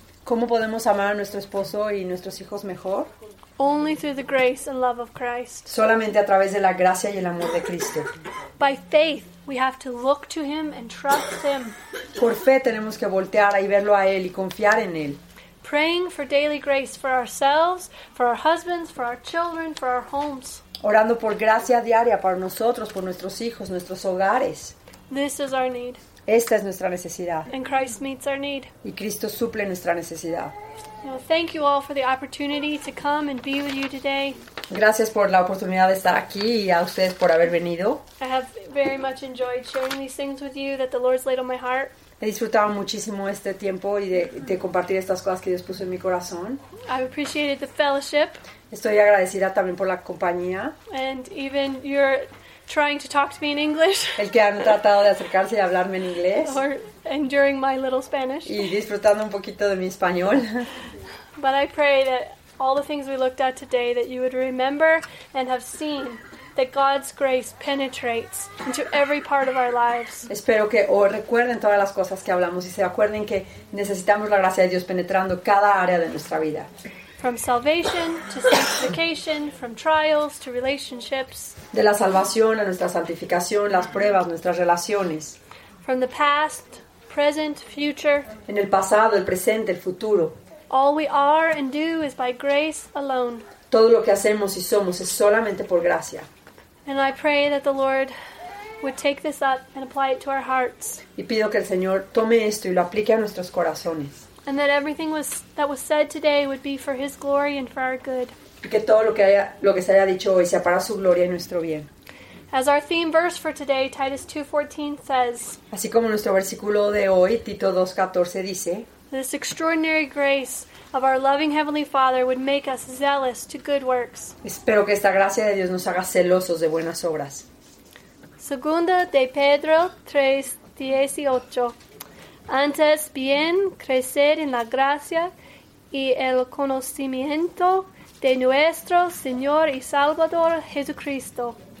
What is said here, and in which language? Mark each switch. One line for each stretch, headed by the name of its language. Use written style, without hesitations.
Spanish: ¿Cómo podemos amar a nuestro esposo y nuestros hijos mejor?
English: Only through the grace and love of Christ.
Spanish: Solamente a través de la gracia y el amor de Cristo.
English: By faith, we have to look to Him and trust Him.
Spanish: Por fe tenemos que voltear y verlo a Él y confiar en Él.
English: Praying for daily grace for ourselves, for our husbands, for our children, for our homes.
Spanish: Orando por gracia diaria para nosotros, por nuestros hijos, nuestros hogares.
English: This is our need.
Spanish: Esta es nuestra necesidad.
English: And Christ meets our need.
Spanish: Y Cristo suple nuestra necesidad.
English: Thank you all for the opportunity to come and be with you today.
Spanish: Gracias por la oportunidad de estar aquí y a ustedes por haber venido.
English: I have very much enjoyed sharing these things with you that the Lord's laid on my heart.
Spanish: He disfrutado muchísimo este tiempo y de compartir estas cosas que Dios puso en mi corazón.
English: I've appreciated the fellowship.
Spanish: Estoy agradecida también por la compañía.
English: And even your trying to talk to me in English.
Spanish: El que han tratado de acercarse y hablarme en inglés.
English: Or enduring my little Spanish.
Spanish: Y disfrutando un poquito de mi español.
English: But I pray that all the things we looked at today, that you would remember and have seen that God's grace penetrates into every part of our lives.
Spanish: Espero que hoy recuerden todas las cosas que hablamos y se acuerden que necesitamos la gracia de Dios penetrando cada área de nuestra vida.
English: From salvation to sanctification, from trials to relationships.
Spanish: De la salvación a nuestra santificación, las pruebas, nuestras relaciones.
English: From the past, present, future.
Spanish: En el pasado, el presente, el futuro.
English: All we are and do is by grace alone.
Spanish: Todo lo que hacemos y somos es solamente por gracia.
English: And I pray that the Lord would take this up and apply it to our hearts.
Spanish: Y pido que el Señor tome esto y lo aplique a nuestros corazones.
English: And that everything that was said today would be for His glory and for our good.
Spanish: Y que todo lo que se haya dicho hoy sea para su gloria y nuestro bien.
English: As our theme verse for today, Titus 2:14 says.
Spanish: Así como nuestro versículo de hoy, Tito 2:14 dice.
English: This extraordinary grace of our loving Heavenly Father would make us zealous to good works.
Spanish: Espero que esta gracia de Dios nos haga celosos de buenas obras. Segunda de Pedro 3:18. Antes bien crecer en la gracia y el conocimiento de nuestro Señor y Salvador Jesucristo.